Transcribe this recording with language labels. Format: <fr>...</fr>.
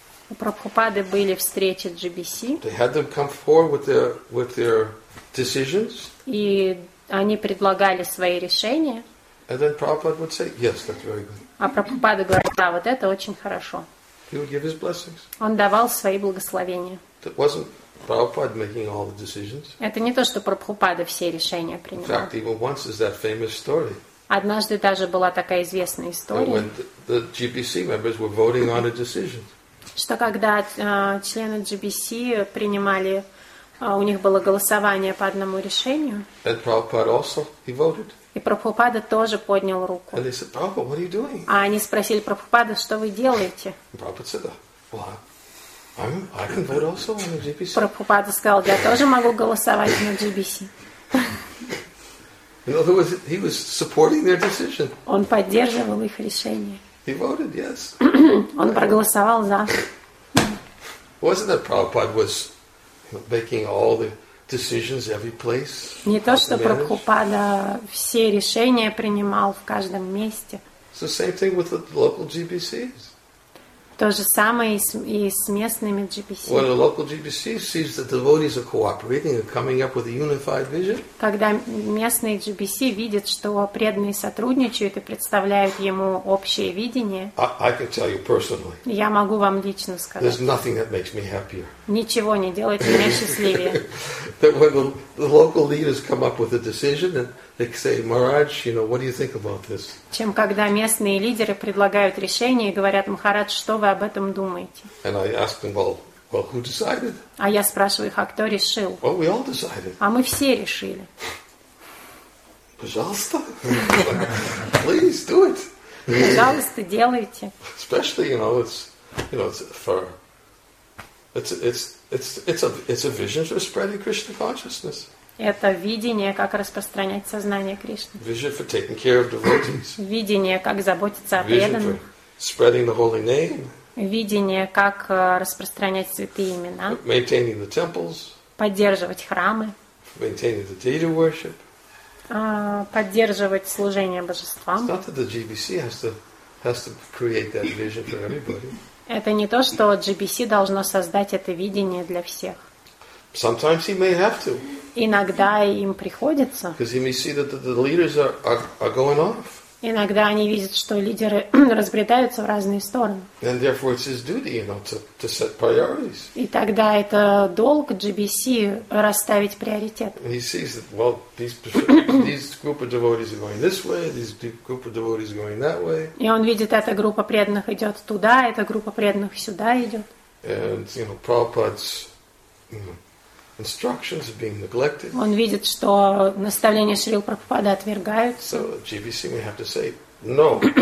<ru>У Прабхупады были встречи GBC.</ru> <en>They had them come forward with their decisions.</en> <ru>И они предлагали свои решения.</ru> <en>And then Prabhupada would say, yes, that's very good.</en> <ru>А Прабхупада говорит, да, вот это очень хорошо.</ru> <en>He would give his blessings.</en> <ru>Он давал свои благословения.</ru> <en>That wasn't Prabhupada making all the decisions.</en> <ru>Это не то, что Прабхупада все решения принимал.</ru> <en>In fact, even once is that famous story.</en> <ru>Однажды даже была такая известная история.</ru> <en>When the GBC members were voting on a decision.</en> <ru>Что когда члены GBC принимали, у них было голосование по одному решению.</ru> <en>And Prabhupada also, he voted.</en> <ru>И Прабхупада тоже поднял руку.</ru> <en>And they said, Prabhupada, what are you doing?</en> <ru>А они спросили Прабхупада, что вы делаете?</ru> <en>Prabhupada said, well, I can vote also on the GBC.</en> <ru>Прабхупада сказал, я тоже могу голосовать на GBC.</ru> <en>In other words, he was supporting their decision.</en> <ru>Он поддерживал их решение.</ru> <en>He voted, yes.</en> <ru>Он проголосовал за.</ru> <en>Wasn't that Prabhupada was making all the decisions every place.</en> <ru>Не то, что Прабхупада все решения принимал в каждом месте.</ru> <en>So same thing with the local GBCs.</en> <ru>То же самое и с местными GBC.</ru> <en>When a local GBC sees that the devotees are cooperating and coming up with a unified vision.</en> <ru>Когда местные GBC видят, что преданные сотрудничают и представляют ему общее видение.</ru> <en>I can tell you personally.</en> <ru>Я могу вам лично сказать.</ru> <en>There's nothing that makes me happier.</en> <ru>Ничего не делает меня счастливее.</ru> <en>That when the local leaders come up with a decision and they say, Maharaj, you know, what do you think about this?</en> <ru>Чем когда местные лидеры предлагают решение и говорят, Махарадж, что вы об этом думаете?</ru> <en>And I ask them, well, who decided?</en> <ru>А я спрашиваю их, а кто решил?</ru> <en>Well, we all decided.</en> <ru>А мы все решили. Пожалуйста.</ru> <en>Please do it.</en> <ru>Пожалуйста, делайте.</ru> <en>Especially, it's for... It's a vision for spreading Krishna consciousness.</en> <ru>Это видение, как распространять сознание Кришны.</ru> <en>Vision for taking care of devotees.</en> <ru>Видение, как заботиться о преданных.</ru> <en>Vision for spreading the holy name.</en> <ru>Видение, как распространять святые имена.</ru> <en>Maintaining the temples.</en> <ru>Поддерживать храмы.</ru> <en>Maintaining the deity worship.</en> <ru>Поддерживать служение божествам.</ru> <en>It's not that the GBC has to create that vision for everybody.</en> <ru>Это не то, что GBC должно создать это видение для всех.</ru> <en>Sometimes he may have to.</en> <ru>Иногда им приходится.</ru> <en>Because he may see that the leaders are going off.</en> <ru>Иногда они видят, что лидеры разбредаются в разные стороны.</ru> <en>And therefore it's his duty, to set priorities.</en> <ru>И тогда это долг GBC расставить приоритет.</ru> <en>And he sees that, these group of devotees are going this way, these group of devotees are going that way.</en> <ru>И он видит, эта группа преданных идет туда, эта группа преданных сюда идет.</ru> <en>And, Prabhupada's, instructions are being neglected.</en> <ru>Он видит, что наставления Шрилы Прабхупады отвергаются.</ru> <en>So GBC may have to say no.</en>